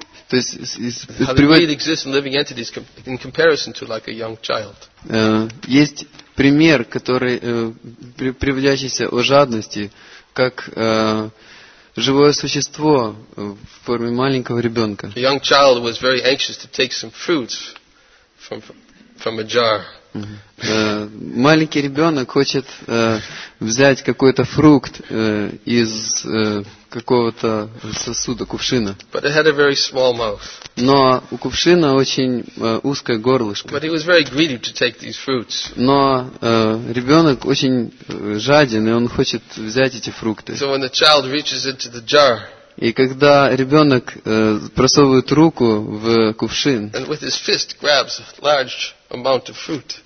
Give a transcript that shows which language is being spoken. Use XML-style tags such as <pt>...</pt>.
<en>How the greed exists in living entities in comparison to like a young child.</en> <ru>Есть пример, который приводящийся о жадности, как живое существо в форме маленького ребенка.</ru> <en>A young child was very anxious to take some fruits from a jar.</en> <ru>Маленький ребенок хочет взять какой-то фрукт из какого-то сосуда, кувшина.</ru> <en>But it had a very small mouth.</en> <ru>Но у кувшина очень узкое горлышко.</ru> <en>But he was very greedy to take these fruits.</en> <ru>Но ребенок очень жаден, и он хочет взять эти фрукты.</ru> <en>So when the child reaches into the jar,</en> <ru>И когда ребенок просовывает руку в кувшин,</ru> <en>and with his fist grabs a large amount of fruit,</en>